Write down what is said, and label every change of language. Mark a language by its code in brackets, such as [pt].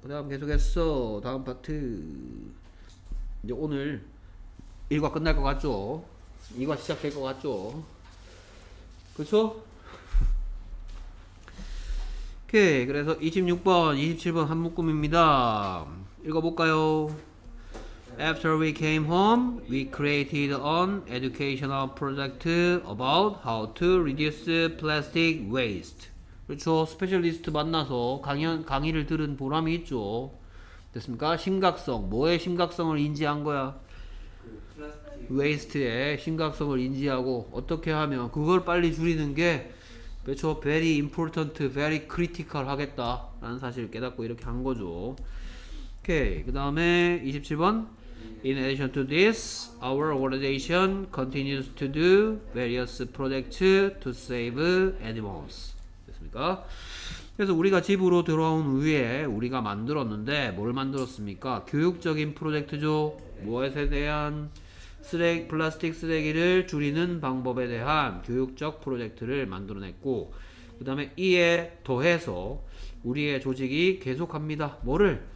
[ko] 그 다음 계속했어. 다음 파트. 이제 오늘 1과 끝날 것 같죠? 2과 시작될 것 같죠? 그쵸? 오케이. 그래서 26번, 27번 한 묶음입니다. 읽어볼까요? [en] After we came home, we created an educational project about how to reduce plastic waste. [ko] 그렇죠. 스페셜리스트 만나서 강의를 들은 보람이 있죠. 됐습니까? 심각성. 뭐의 심각성을 인지한 거야? 웨이스트의 심각성을 인지하고 어떻게 하면 그걸 빨리 줄이는 게 그렇죠. [en] Very important, very critical [ko] 하겠다라는 사실을 깨닫고 이렇게 한 거죠. 오케이. 그 다음에 27번. [en] In addition to this, our organization continues to do various projects to save animals. [ko] 됐습니까? 그래서 우리가 집으로 들어온 후에 우리가 만들었는데 뭘 만들었습니까? 교육적인 프로젝트죠. 무엇에 대한? 플라스틱 쓰레기를 줄이는 방법에 대한 교육적 프로젝트를 만들어냈고 그 다음에 이에 더해서 우리의 조직이 계속합니다. 뭐를?